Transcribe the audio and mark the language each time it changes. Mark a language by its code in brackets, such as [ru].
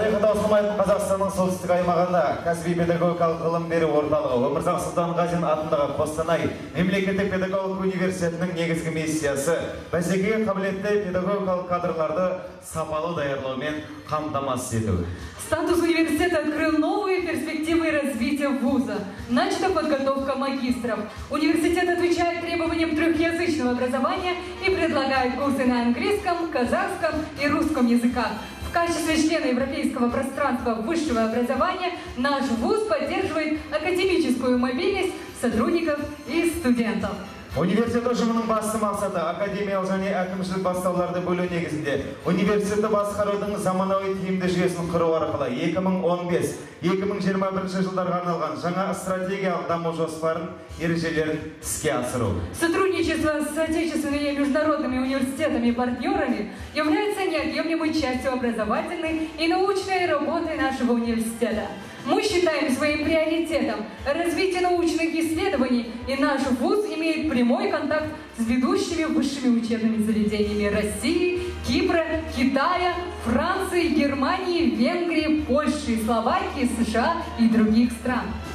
[kk] Алмайтын Қазақстанның солтүстік аймағында кәсіби педагогикалық ғылым беру орталығы Өмірзақ Сұлтанғазин атындағы Қостанай мемлекеттік педагогикалық университетінің негізгі миссиясы бәсекеге қабілетті педагогикалық кадрларды сапалы даярлаумен қамтамасыз ету. [ru] Статус университета открыл новые перспективы развития вуза. Начата подготовка магистров. Университет отвечает требованиям трехязычного образования и предлагает курсы на английском, казахском и русском языках. В качестве члена Европейского пространства высшего образования наш вуз поддерживает академическую мобильность сотрудников и студентов. [kk] Университет ұжымының басты мақсаты академиялық және әкімшілік бастауларды бөлу негізінде университетті басқарудың заманауи тиімді жүйесін құру арқылы 2015-2021 жылдарға арналған жаңа стратегиялық даму жоспарын ережелерін іске асыру. [ru] Сотрудничество с отечественными и международными университетами-партнерами является неотъемлемой частью образовательной и научной работы нашего университета. Мы считаем своим приоритетом развитие научных исследований, и наш вуз имеет прямой контакт с ведущими высшими учебными заведениями России, Кипра, Китая, Франции, Германии, Венгрии, Польши, Словакии, США и других стран.